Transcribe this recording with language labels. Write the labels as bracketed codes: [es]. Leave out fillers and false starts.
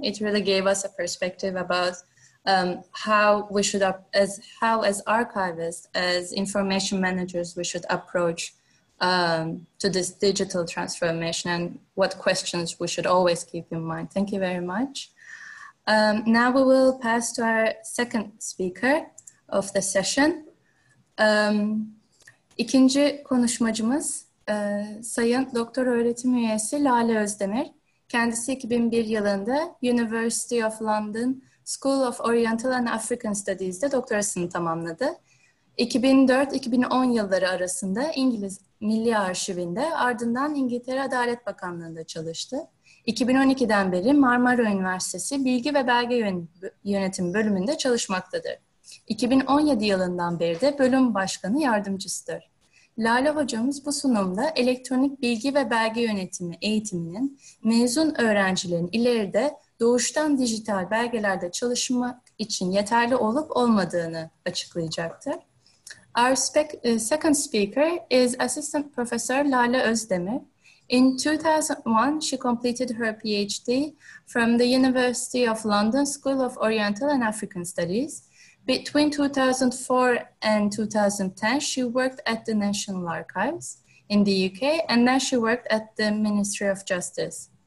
[en] It really gave us a perspective about how we should, as archivists, as information managers, we should approach to this digital transformation and what questions we should always keep in mind. Thank you very much. Now we will pass to our second speaker of the session. [tr] İkinci konuşmacımız Sayın Doktor Öğretim Üyesi Lale Özdemir. Kendisi 2001 yılında University of London School of Oriental and African Studies'de doktorasını tamamladı. 2004-2010 yılları arasında İngiliz Milli Arşivinde, ardından İngiltere Adalet Bakanlığı'nda çalıştı. 2012'den beri Marmara Üniversitesi Bilgi ve Belge Yönetimi bölümünde çalışmaktadır. 2017 yılından beri de bölüm başkanı yardımcısıdır. Lale hocamız bu sunumda elektronik bilgi ve belge yönetimi eğitiminin mezun öğrencilerin ileride doğuştan dijital belgelerde çalışmak için yeterli olup olmadığını açıklayacaktır. [en] Our second speaker is Assistant Professor Lale Özdemir. In 2001, she completed her PhD from the University of London School of Oriental and African Studies. Between 2004 and 2010, she worked at the National Archives in the UK, and then she worked at the Ministry of Justice.